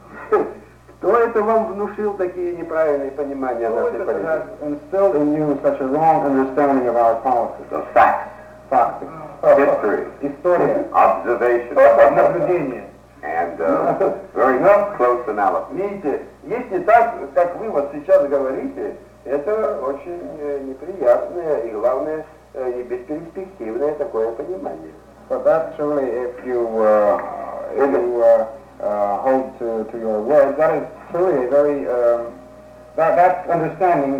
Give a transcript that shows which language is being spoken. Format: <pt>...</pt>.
<ru>Кто это вам внушил такие неправильные понимания нашей политики?</ru> <en>Who has instilled in you such a wrong understanding of our policy? The facts. History.</en> <ru>История.</ru> <en>Observation.</en> <ru>Наблюдение.</ru> <en>And very close analysis.</en> <ru>Видите, если так, как вы вот сейчас говорите, это очень неприятное и главное, и бесперспективное такое понимание.</ru> <en>But that surely, if you hold to your words, that is truly very understanding.</en>